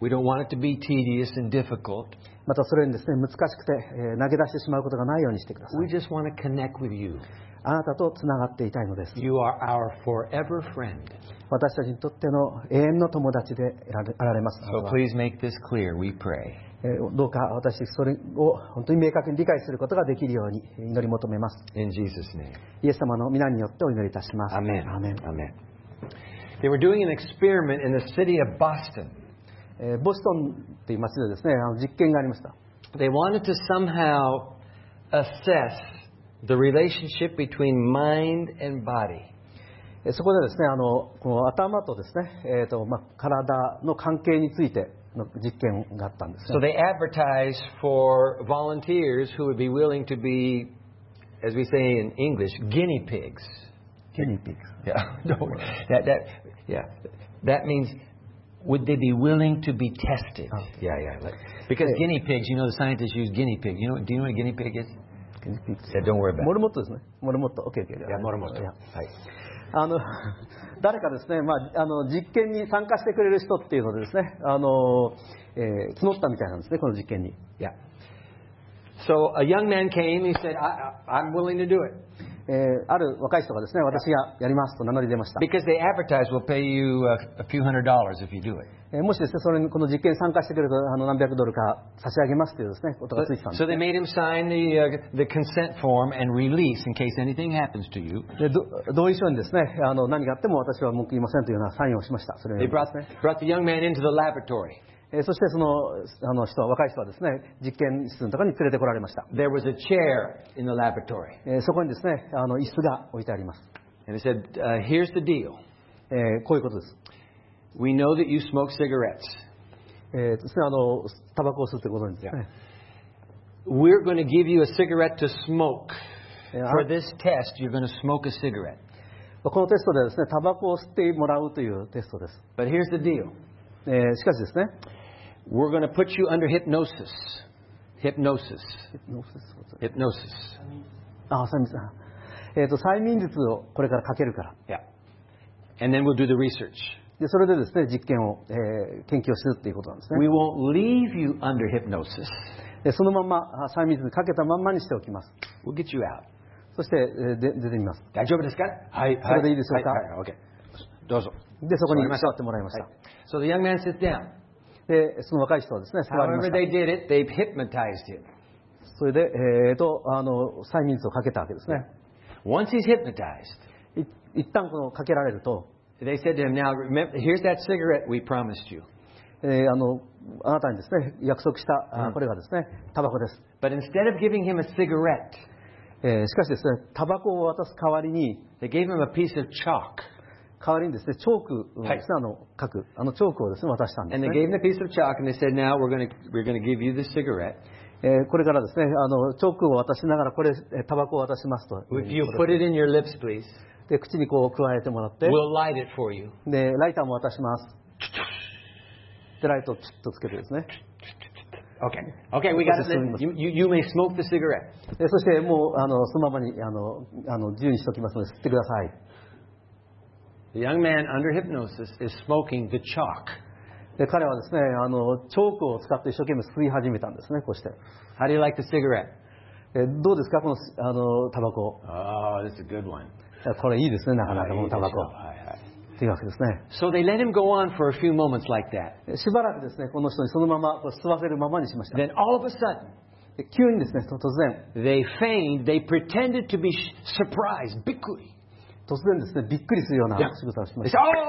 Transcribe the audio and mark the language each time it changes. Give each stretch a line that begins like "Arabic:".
English: We don't want it to be tedious and difficult.
Japanese: またそれにですね、難しくて、投げ出してしまうことがないようにしてください。
English: We just want to connect with you.
Japanese: あなたとつながっていたいのです。
English: You are our forever friend.
Japanese: 私たちにとっての永遠の友達でいられます。
English: So please make this clear, we pray.
Japanese: どうか私それを本当に明確に理解することができるように祈り求めます。
English: In Jesus' name.
Japanese: イエス様の御名によってお祈りいたします。
English: Amen. Amen. Amen. They were doing an experiment in the city of Boston.
Japanese: ボストンという町でですね、あの実験がありました。
English: They wanted to somehow assess the relationship between mind and body.
Japanese: そこでですね、あのこの頭とですね、まあ、体の関係についての実験があったんですね。
English: So they advertised for volunteers who would be willing to be, as we say in English, guinea pigs. Guinea pigs. Yeah. That means would they be willing to be tested? Yeah, yeah. Because guinea pigs, you know, the scientists use guinea pig. You know, do you know what a guinea pig is? Yeah, don't worry about it.
Japanese: モルモットですね。モルモット。OK, OK.
English: Yeah,
Japanese: モルモット。はい。あの誰かですね、まあ、あの実験に参加してくれる人っていうのでですね、募ったみたいなんですね、この実験に。
English: Yeah. So a young man came, he said, I'm willing to do it.
Japanese: ある若い人がですね、私がやりますと名乗り出ました。
English: Because they advertise we'll pay you a few hundred dollars if you do it.
Japanese: もしですね、それにこの実験に参加してくれると何百ドルか差し上げますというですね、ことがついてたんです。
English: So they made him sign the consent form and release in case anything happens to you.
Japanese: 同意書にですね、何があっても私は文句言いませんというようなサインをしました。それで、
English: brought the young man into the laboratory.
Japanese: そしてその人は、若い人はですね、実験室のところに連れてこられました。
English: There was a chair in the laboratory.
Japanese: そこにですね、椅子が置いてあります。
English: And he said, here's the deal.
Japanese: こういうことです。
English: We know that you smoke cigarettes.
Japanese: ですね、タバコを吸うってことですね。
English: Yeah. We're going to give you a cigarette to smoke. For this test, you're going to smoke a cigarette.
Japanese: このテストでですね、タバコを吸ってもらうというテストです。
English: But here's the deal.
Japanese: しかしですね、
English: We're going to put you under hypnosis. Hypnosis. Hypnosis. Hypnosis.
Japanese: ああ、催眠術。催眠術をこれからかけるから。
English: Yeah. And then we'll do the research.
Japanese: で、それでですね、実験を、研究をするっていうことなんですね。
English: We won't leave you under hypnosis.
Japanese: で、そのまま催眠術にかけたまんまにしておきます。
English: We'll get you out.
Japanese: そして、出てみます。大丈夫ですか？はい、はい。それでいいでしょうか？はい、はい、はい、OK。どうぞ。でそこに座ってもらいました。
English: So the young man sits down.
Japanese: でその若い人はですね、座りました。
English: However they did it, they hypnotized him.
Japanese: それで、催眠術をかけたわけですね。
English: Once he's hypnotized,
Japanese: 一旦このかけられると、
English: they said to him, now remember, here's that cigarette we promised you.
Japanese: あなたにですね、約束したこれがですね、タバコです。
English: But instead of giving him a cigarette,
Japanese: しかしですね、タバコを渡す代わりに、
English: they gave him a piece of chalk.
Japanese: 代わりにですね、チョークをですね、はい、書く、チョークをですね、渡したんですね。
English: And they gave him a piece of chalk and they said, now we're gonna give you this cigarette.
Japanese: これからですね、チョークを渡しながら、これ、タバコを渡しますと。
English: Would you put it in your lips, please?
Japanese: で、口にこう、加えてもらって。
English: We'll light it for you.
Japanese: で、ライターも渡します。で、ライトをチュッとつけてですね。
English: Okay. Okay, we got it. You may smoke the cigarette.
Japanese: そして、もう、そのままに、自由にしておきますので、吸ってください。
English: The young man under hypnosis is smoking the chalk.
Japanese: で彼はですね、チョークを使って一生懸命吸い始めたんですね、こうして。
English: How do you like the cigarette?
Japanese: どうですか、このタバコ。
English: Oh, this is a good one.
Japanese: これいいですね、なかなかこのタバコ。はいはい。というわけですね。
English: So they let him go on for a few moments like that.
Japanese: しばらくですね、この人にそのままこう吸わせるままにしました。
English: Then all of a sudden,
Japanese: 急にですね、突然。
English: They feigned, they pretended to be surprised,
Japanese: びっくり。突然ですね、びっくりするような仕草をしました。